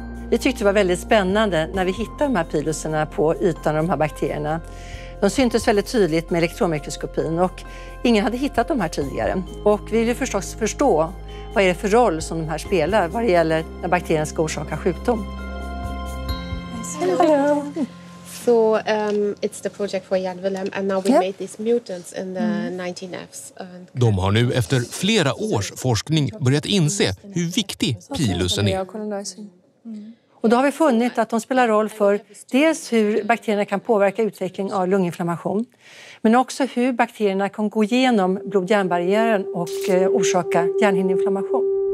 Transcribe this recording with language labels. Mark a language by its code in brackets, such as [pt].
[sv] Vi tyckte det var väldigt spännande när vi hittade de här piluserna på ytan av de här bakterierna. De syntes väldigt tydligt med elektronmikroskopin och ingen hade hittat de här tidigare. Och vi ville förstås förstå vad är det för roll som de här spelar vad det gäller när bakterien ska orsaka sjukdom. Hallå! [en] So it's the project for Jan Willem and now we made these mutants in the 19Fs. [sv] De har nu efter flera års forskning börjat inse hur viktig pilusen är. Och då har vi funnit att de spelar roll för dels hur bakterierna kan påverka utveckling av lunginflammation, men också hur bakterierna kan gå igenom blod-hjärnbarriären och orsaka hjärnhinneinflammation.